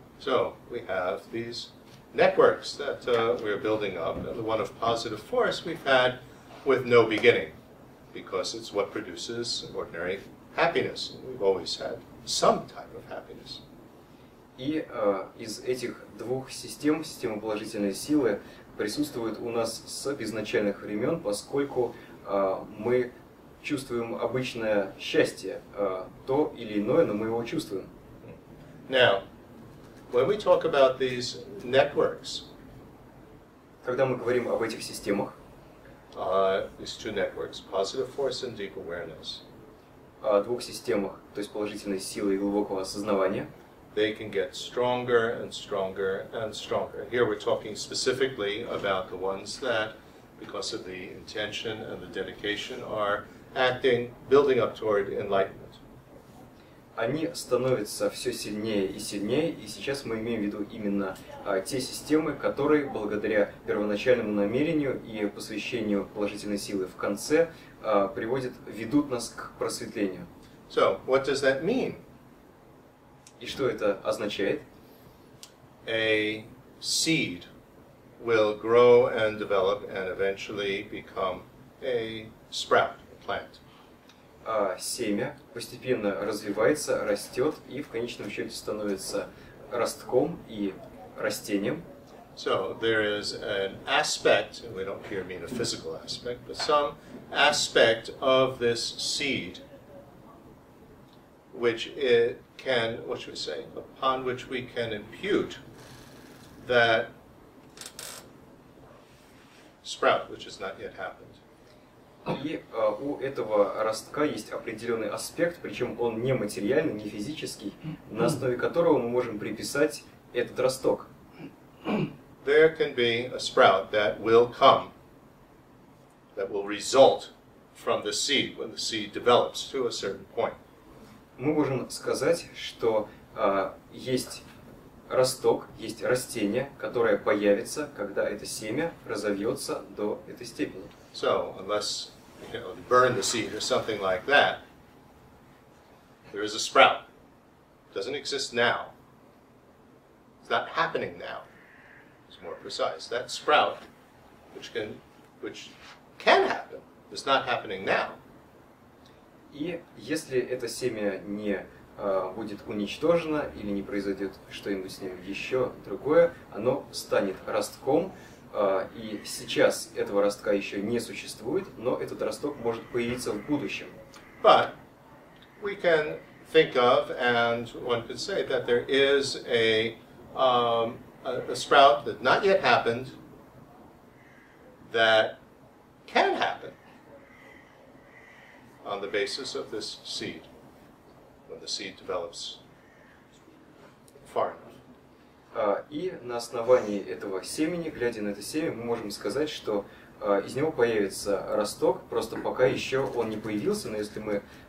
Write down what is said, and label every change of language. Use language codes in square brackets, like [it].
[en] So, we have these networks that we're building up, and the one of positive force we've had with no beginning, because it's what produces ordinary happiness. We've always had some type of happiness. [ru] И из этих двух систем, системы положительной силы, присутствует у нас с изначальных времен, поскольку мы чувствуем обычное счастье, то или иное, но мы его чувствуем. [en] Now, when we talk about these networks, [ru] когда мы говорим об этих системах, [en] these two networks, positive force and deep awareness, [ru] о двух системах, то есть положительной силы и глубокого осознавания, [en] they can get stronger and stronger and stronger. Here we're talking specifically about the ones that, because of the intention and the dedication, are acting, building up toward enlightenment. [ru] Они становятся все сильнее и сильнее, и сейчас мы имеем в виду именно те системы, которые, благодаря первоначальному намерению и посвящению положительной силы в конце, приводят, ведут нас к просветлению. [en] So, what does that mean? [ru] И что это означает? [en] A seed will grow and develop and eventually become a sprout, a plant. [ru] Семя постепенно развивается, растет и в конечном счете становится ростком и растением. [en] So there is an aspect, and we don't here mean a physical aspect, but some aspect of this seed which it can, what should we say, upon which we can impute that sprout, which has not yet happened. [ru] И у этого ростка есть определенный аспект, причем он не материальный, не физический, на основе которого мы можем приписать этот росток. [en] There can be a sprout that will come, that will result from the seed, when the seed develops to a certain point. [ru] Мы можем сказать, что есть росток, есть растение, которое появится, когда это семя разовьется до этой степени. [en] So, unless you know, burn the seed or something like that, there is a sprout. Doesn't exist now. It's not happening now. It's more precise. That sprout, which can happen, is not happening now. [ru] И если это семя не будет уничтожено или не произойдет что-нибудь с ним еще другое, оно станет ростком, и сейчас этого ростка еще не существует, но этот росток может появиться в будущем. [en] But we can think of, and one could say, that there is a sprout that not yet happened that can happen on the basis of this seed, when the seed develops far enough. [ru] И на основании этого семени, глядя на это семя, мы можем сказать, что из него появится росток, просто пока еще он не появился, но если мы...